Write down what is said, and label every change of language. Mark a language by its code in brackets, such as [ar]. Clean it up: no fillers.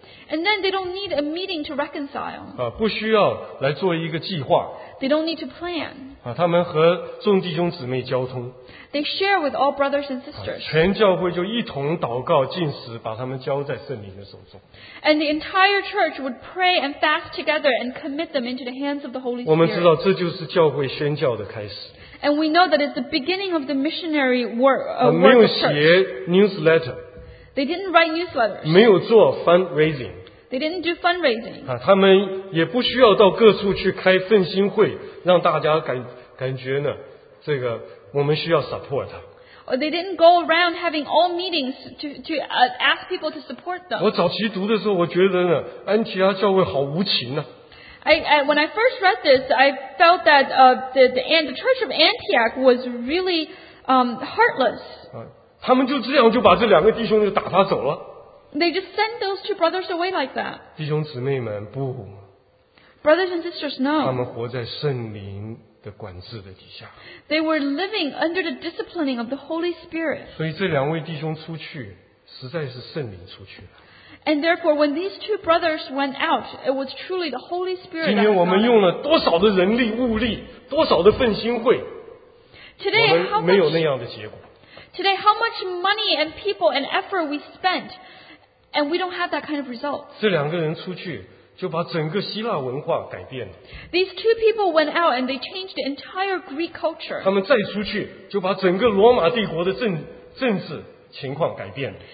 [en] and then they don't need a meeting to reconcile. [zh] 不需要来做一个计划, [en] they don't need to plan. [zh] 他们和众弟兄姊妹交通, [en] they share with all brothers and sisters. [zh] 全教会就一同祷告进食把他们交在圣灵的手中。 [en] And the entire church would pray and fast together and commit them into the hands of the Holy Spirit. [zh] 我们知道这就是教会宣教的开始。 [en] And we know that it's the beginning of the missionary work of the church. [zh] 没有写 newsletter, [en] they didn't write newsletters. [zh] 没有做 fundraising, [en] they didn't do fundraising. [zh] 他们也不需要到各处去开奋兴会, 让大家感觉呢, 这个, [en] they didn't go around having all meetings to ask people to support them. [zh] 我早期读的时候, 我觉得呢, 安提阿教会好无情啊。 [en] When I first read this, I felt that the Church of Antioch was really heartless. [zh] 他们就这样就把这两个弟兄就打发走了。 [en] They just sent those two brothers away like that. [zh] 弟兄姊妹们, 不, [en] brothers and sisters, no. [zh] 他们活在圣灵 的管制的底下, [en] they were living under the disciplining of the Holy Spirit. [zh] 所以这两位弟兄出去, 实在是圣灵出去了。 [en] And therefore, when these two brothers went out, it was truly the Holy Spirit. [zh] 今天我们用了多少的人力, 物力, 多少的奋兴会, [en] today, [zh] 我们没有那样的结果。 [en] Today, how much money and people and effort we spent, and we don't have that kind of result. [zh] 这两个人出去, 就把整个希腊文化改变了。 [en] These two people went out and they changed the entire Greek culture. [zh] 他们再出去, 就把整个罗马帝国的政治情况改变了。